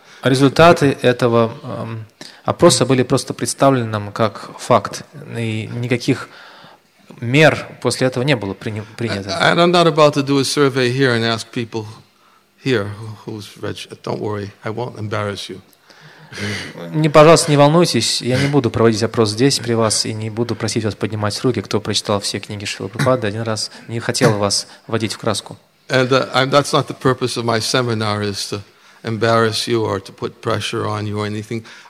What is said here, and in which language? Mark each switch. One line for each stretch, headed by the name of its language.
Russian: Результаты этого опроса были просто представлены нам как факт, и никаких мер после этого не было принято.
English: And I'm not about to do a survey here and ask people here who's rich. Don't worry, I won't embarrass you.
Russian: Не, пожалуйста, не волнуйтесь, я не буду проводить опрос здесь при вас и не буду просить вас поднимать руки, кто прочитал все книги Шрилы Прабхупады один раз, не хотел вас вводить в краску.
English: And that's not the purpose of my seminar is to embarrass you or to put pressure on you or anything.